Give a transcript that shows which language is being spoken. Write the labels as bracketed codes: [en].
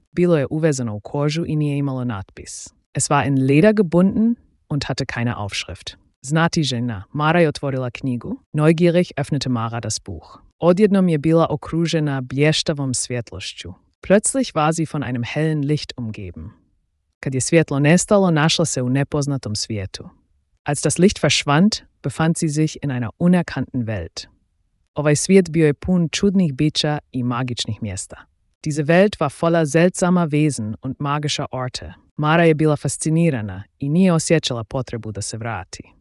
[hr] Bilo je uvezano u kožu i nije imalo natpis. [de] Es war in Leder gebunden und hatte keine Aufschrift. [hr] Znatiželjna, Mara je otvorila knjigu. [de] Neugierig öffnete Mara das Buch. [hr] Odjednom je bila okružena blještavom svjetlošću. [de] Plötzlich war sie von einem hellen Licht umgeben. [hr] Kad je svjetlo nestalo, našla se u nepoznatom svijetu. [de] Als das Licht verschwand, befand sie sich in einer unerkannten Welt. [hr] Ovaj svijet bio je pun čudnih bića i magičnih mjesta. [de] Diese Welt war voller seltsamer Wesen und magischer Orte. [hr] Mara je bila fascinirana i nije osjećala potrebu da se vrati.